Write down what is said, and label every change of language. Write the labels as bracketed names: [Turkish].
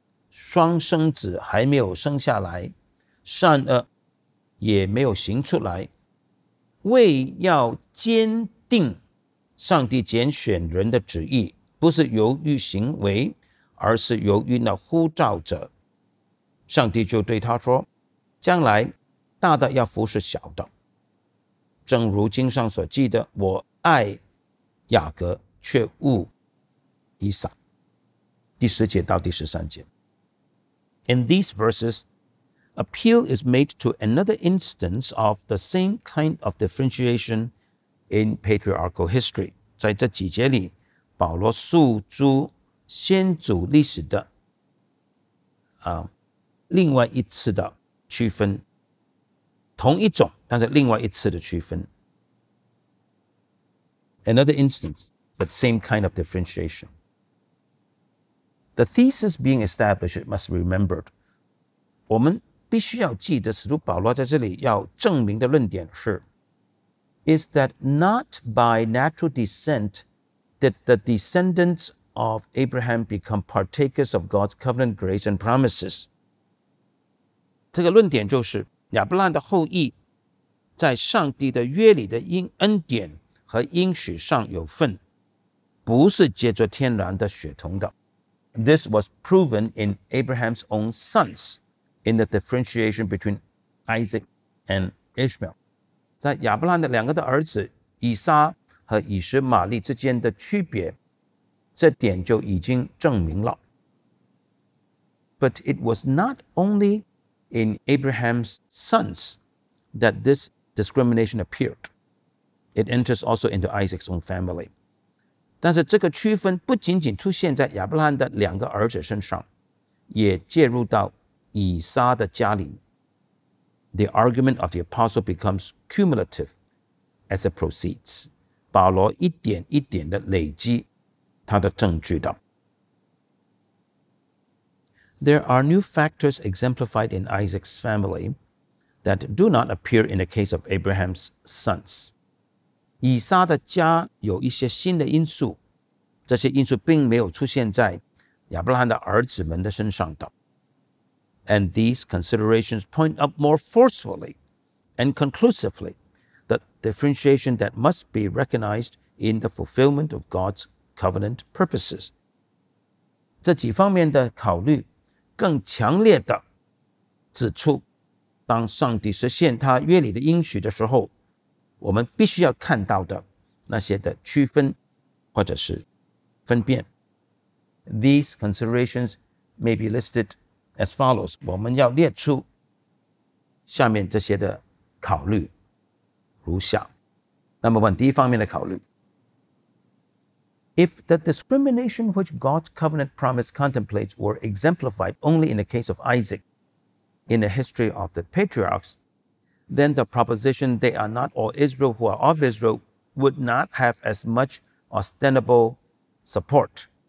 [Chinese] 双生子还没有生下来，善恶也没有行出来，为要坚定上帝拣选人的旨意，不是由于行为，而是由于那呼召者，上帝就对他说，将来大的要服侍小的。正如经上所记的，我爱雅各却恶以撒。第十节到第十三节。 [English] In these verses, appeal is made to another instance of the same kind of differentiation in patriarchal history. [Chinese] 在这几节里，保罗诉诸先祖历史的另外一次的区分，同一种，但是另外一次的区分。 [English] Another instance, but same kind of differentiation. The thesis being established must be remembered. [Chinese] 我们必须要记得，使徒保罗在这里要证明的论点是 [English] is that not by natural descent did the descendants of Abraham become partakers of God's covenant grace and promises. [Chinese] 这个论点就是亚伯拉罕的后裔在上帝的约里的恩典和应许上有份，不是借着天然的血统的。 [English] This was proven in Abraham's own sons in the differentiation between Isaac and Ishmael. [Chinese] 在亚伯拉罕的两个的儿子以撒和以实玛利之间的区别，这点就已经证明了。 [English] But it was not onlyIn Abraham's sons, that this discrimination appeared. It enters also into Isaac's own family. [Chinese] 但是这个区分不仅仅出现在亚伯拉罕的两个儿子身上，也介入到以撒的家里。 [English] The argument of the apostle becomes cumulative as it proceeds. [Chinese] 保罗一点一点地累积他的证据的。 [English] There are new factors exemplified in Isaac's family that do not appear in the case of Abraham's sons. [Chinese] 以撒的家有一些新的因素，这些因素并没有出现在亚伯拉罕的儿子们的身上的。 [English] And these considerations point up more forcefully and conclusively the differentiation that must be recognized in the fulfillment of God's covenant purposes. [Chinese] 这几方面的考虑更强烈地指出，当上帝实现他约里的应许的时候，我们必须要看到的那些的区分或者是分辨。 [English] These considerations may be listed as follows. [Chinese] 我们要列出下面这些的考虑如下。 [English] Number one, [Chinese] 第一方面的考虑。 [English] If the discrimination which God's covenant promise contemplates were exemplified only in the case of Isaac in the history of the patriarchs, then the proposition they are not all Israel who are of Israel would not have as much ostensible support.